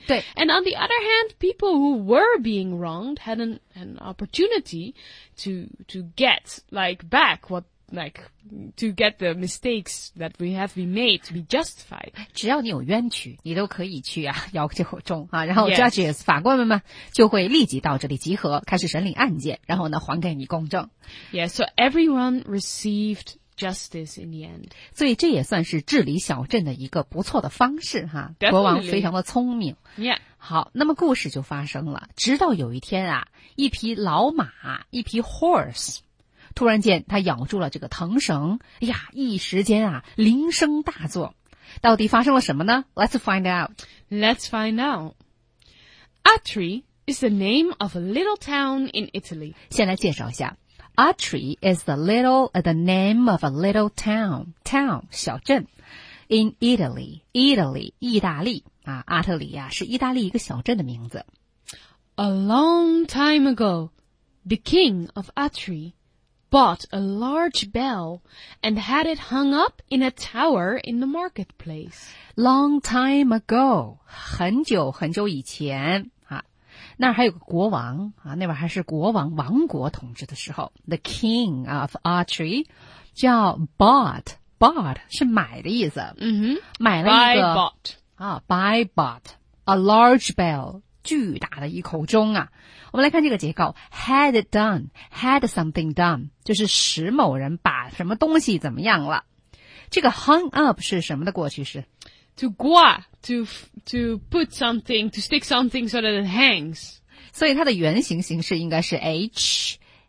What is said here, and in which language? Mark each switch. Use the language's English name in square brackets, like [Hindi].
[Chinese] 对。 [English] And on the other hand, people who were being wronged had an opportunity to get like back whatLike, to get the mistakes that we have been made to be justified. [Chinese] 只要你有冤屈，你都可以去啊，摇这口钟啊，然后 judges、 [English] yes. [Chinese] 法官们嘛，就会立即到这里集合，开始审理案件，然后呢，还给你公正。 [English] Yeah, so everyone received justice in the end. [Chinese] 所以这也算是治理小镇的一个不错的方式哈。 [English] Definitely. [Chinese] 国王非常的聪明。 [English] Yeah. [Chinese] 好，那么故事就发生了。直到有一天啊，一匹老马，一匹 horse,突然间他咬住了这个藤绳，哎呀，一时间啊铃声大作。到底发生了什么呢？ [English] Let's find out. Let's find out. Atri is the name of a little town in Italy. [Chinese] 先来介绍一下。 [English] Atri is the name of a little town. Town, 小镇。In Italy. Italy, 意大利。 [Chinese] 啊，阿特里啊是意大利一个小镇的名字。 [English] A long time ago, the king of Atri bought a large bell and had it hung up in a tower in the marketplace. Long time ago, [Chinese] 很久很久以前。那还有个国王啊，那边还是国王王国统治的时候 ， [English] the king of archery [Chinese] 叫 bought 是买的意思，嗯哼，买了一个 [English] bought a large bell [Chinese] 巨大的一口钟啊。我们来看这个结构 [English] had something done [Chinese] 就是使某人把什么东西怎么样了。这个 hung up 是什么的过去式？ [English] To 挂 to put something, to stick something so that it hangs. [Chinese] 所以它的原型形式应该是 H-A-N-G.